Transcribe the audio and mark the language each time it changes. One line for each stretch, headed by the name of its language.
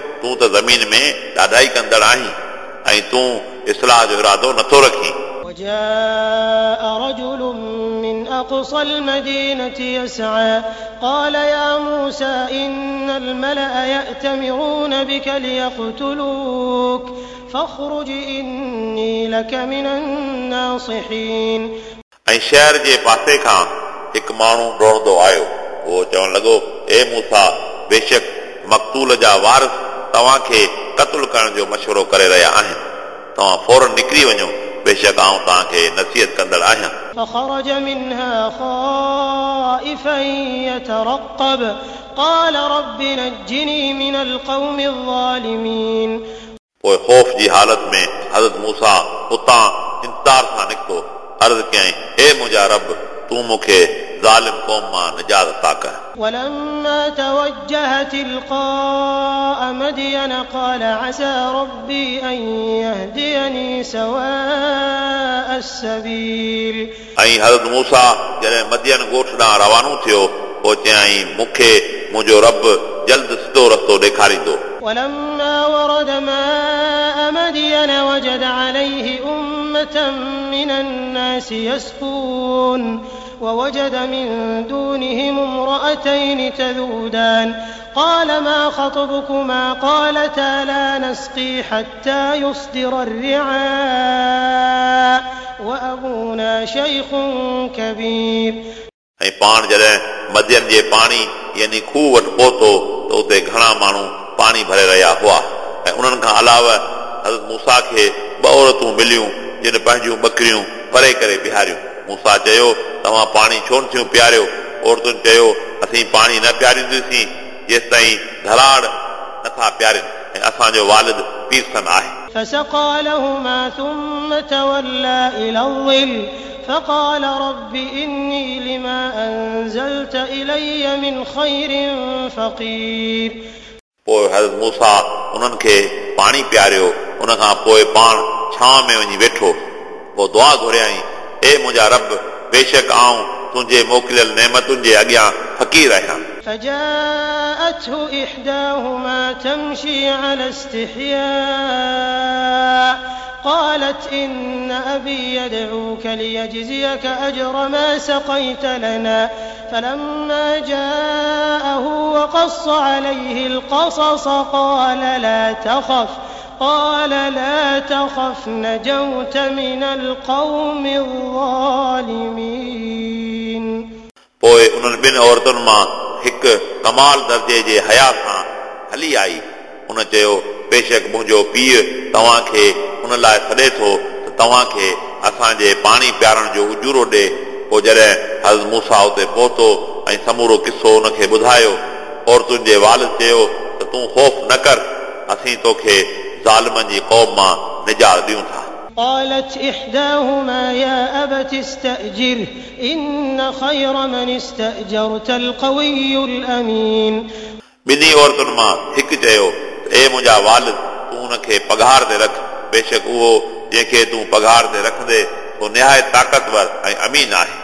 Sindhi: तूं त ज़मीन में ॾाढा ई कंदड़ आहीं ऐं तूं इस्लाह जो इरादो नथो रखीं.
Arabic: وجاء رجل من أقصى المدينة يسعى قال يا موسى إن الملأ يأتمرون بك ليقتلوك فاخرج إني لك من الناصحين.
Sindhi: اي شهر جي پاسي کان هڪ ماڻهو ڊوڙندو آيو هو چون لڳو اي موسى بيشڪ مقتول جا وارث توهان کي قتل ڪرڻ جو مشورو ڪري رهيا آهن توهان فورن نڪري وڃو بے شڪ آئون تانکي نصيحت ڪندڙ آهيان.
Arabic: فخرج منها خائفا يترقب قال رب نجني من القوم الظالمين.
Sindhi: پوءِ خوف جي حالت ۾ حضرت موسى اتان انتظار سان نڪتو عرض ڪيائين اي مجا رب تون مونکي ظالم قوم مان نجات عطا ڪر.
Arabic: ولما توجه تلقاء مدين قال عسى ربي ان يهديني سواء السبيل.
Sindhi: اي حضرت موسى جڏهن مدين ڳوٺ ڏانهن روانو ٿيو پوءِ چيائين مونکي منهنجو رب جا जल्द सिधो रस्तो ॾेखारींदो।
Arabic: ووجد من دونهم امرأتين تذودان قال ما خطبكما قالتا لا نسقي حتى يصدر الرعاء وأبونا شيخ كبير
Sindhi: اي پان جڏي مدين جي پاڻي يعني خوه وٽ پوتو تو اتي گھڻا ماڻهو پاڻي ڀري رهيا هئا ۽ انهن کان علاوه حضرت موسى کي ٻه عورتون مليون جن پنهنجيون ٻڪريون پري ڪري بيهاريون। موسى چيو तव्हां पाणी छो नथियूं पीआरियो? औरतुनि चयो असीं पाणी न पीआरींदीसीं जेसि ताईं धराड़ नथा पीआरियूं ऐं असांजो वालिद पीरसन आहे।
Arabic: فسقى لهما ثم تولى إلى الظل فقال رب إني لما أنزلت إلي من خير فقير।
Sindhi: पोइ हज़रत मूसा उन्हनि खे पाणी पीआरियो, उन खां पोइ पाण छांव में वञी वेठो। पोइ दुआ घुरियईं, हे मुंहिंजा रब, बेशक आऊं तुंहिंजे मोकिलियल नेमतुनि जे अॻियां फ़क़ीर आहियां।
Arabic: فجاءته إحداهما تمشي على استحياء قالت إن أبي يدعوك ليجزيك أجر ما سقيت لنا فلما جاءه وقص عليه القصص قال لا تخف قال لا تخف نجوت من القوم الظالمين।
Sindhi: पोइ उन्हनि ॿिनि औरतुनि मां हिकु कमाल दर्जे जे हया सां हली आई। हुन चयो, बेशक मुंहिंजो पीउ तव्हांखे हुन लाइ सॾे थो त तव्हांखे असांजे पाणी पीआरण जो उजूरो ॾे। पोइ जॾहिं हज़रत मूसा उते पहुतो ऐं समूरो किसो हुनखे ॿुधायो, औरतुनि जे वाल चयो त तूं ख़ौफ़ न कर, असीं तोखे ज़ालिमनि जी क़ौम मां निजात ॾियूं था।
Arabic: قالت إحداهما يا أبت استأجر إن خير من استأجرت القوي الأمين।
Sindhi: بني عورتن ما هڪ چيو، اي مونجا والد، تو ان کي پگھار تي رک، بيشڪ هو جنهن کي تو پگھار تي رکندي تو نهايت طاقتور ۽ امين آهي۔